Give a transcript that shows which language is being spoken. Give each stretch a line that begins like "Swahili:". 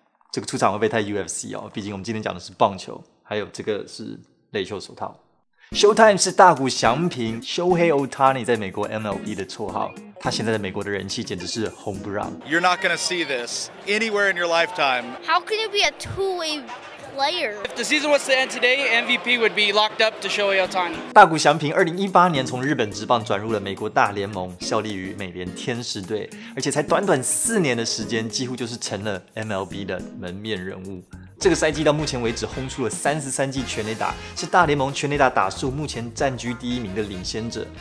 Chinese: 这个出场会不会太 UFC 哦？毕竟我们今天讲的是棒球，还有这个是垒球手套。 Showtime 是大谷翔平 Shohei Ohtani 在美国 MLB 的绰号，他现在在美国的人气简直是红不让。
English: You're not gonna see this anywhere in your lifetime. How can you be a two-way player? If the season was to end today, MVP would be locked up to Shohei Ohtani.
Chinese: 大谷翔平2018年从日本职棒转入了美国大联盟，效力于美联天使队，而且才短短四年的时间，几乎就是成了 MLB 的门面人物。这个赛季到目前为止轰出了33记全垒打，是大联盟全垒打打数目前占据第一名的领先者。